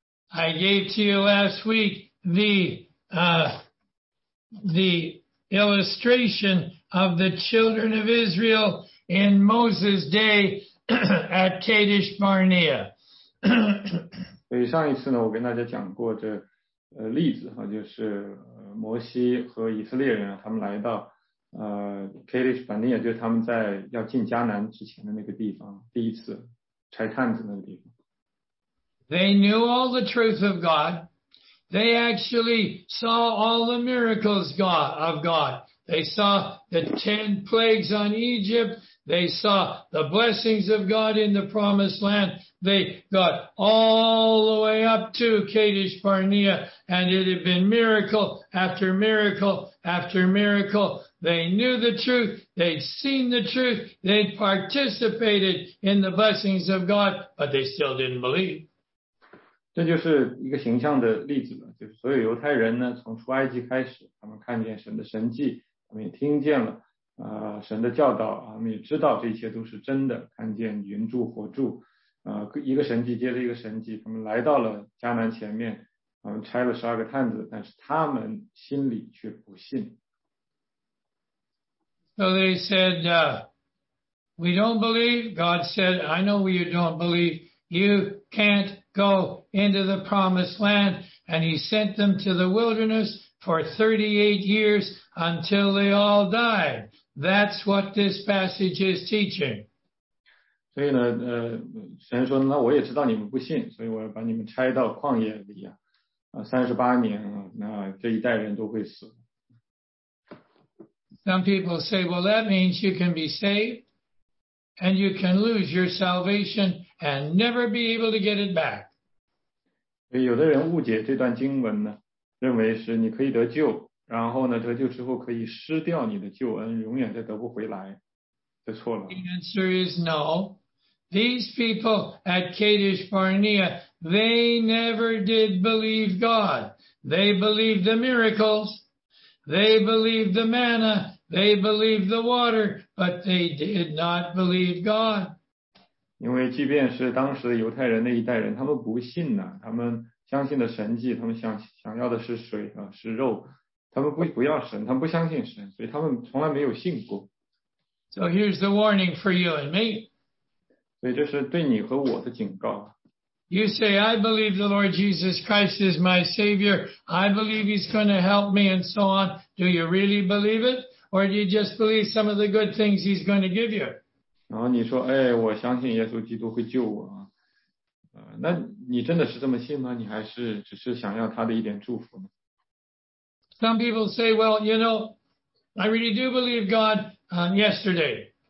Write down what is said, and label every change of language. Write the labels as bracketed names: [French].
[English] I gave to you last week the illustration of the children of Israel in Moses' day at Kadesh Barnea. [Chinese] 所以上一次呢，我跟大家讲过这例子哈，就是摩西和以色列人他们来到Kadesh Barnea， 就是他们在要进迦南之前的那个地方，第一次拆探子那个地方。 [English] They knew all the truth of God. They actually saw all the miracles of God. They saw the 10 plagues on Egypt. They saw the blessings of God in the promised land. They got all the way up to Kadesh Barnea, and it had been miracle after miracle after miracle. They knew the truth. They'd seen the truth. They'd participated in the blessings of God, but they still didn't believe. [Chinese] 这就是一个形象的例子了，就是所有犹太人呢，从出埃及开始，他们看见神的神迹，他们也听见了，神的教导，他们也知道这些都是真的，看见云柱火柱，一个神迹接着一个神迹，他们来到了迦南前面，他们拆了十二个探子，但是他们心里却不信。 [English] So they said, we don't believe. God said, I know you don't believe. You can't go into the promised land. And he sent them to the wilderness for 38 years until they all died. That's what this passage is teaching. [Chinese] 所以呢，神说，那我也知道你们不信，所以我要把你们拆到旷野里啊，38年啊，那这一代人都会死。 [English] Some people say, well, that means you can be saved and you can lose your salvation and never be able to get it back. [Chinese] 有的人误解这段经文呢，认为是你可以得救，然后呢，得救之后可以失掉你的救恩，永远再得不回来，这错了。 [English] The answer is no. These people at Kadesh Barnea, they never did believe God. They believed the miracles. They believed the manna. They believed the water, but they did not believe God. [Chinese] 因为即便是当时的犹太人那一代人，他们不信呢，他们相信的神迹，他们想要的是水啊，是肉，他们不要神，他们不相信神，所以他们从来没有信过。 [English] So here's the warning for you and me. [Chinese] 所以这是对你和我的警告。 [English] You say, I believe the Lord Jesus Christ is my Savior. I believe He's going to help me and so on. Do you really believe it? Or do you just believe some of the good things He's going to give you? [Chinese] 然后你说，哎，我相信耶稣基督会救我啊。那你真的是这么信吗？你还是只是想要他的一点祝福呢？ [English] Some people say, well, you know, I really do believe God yesterday.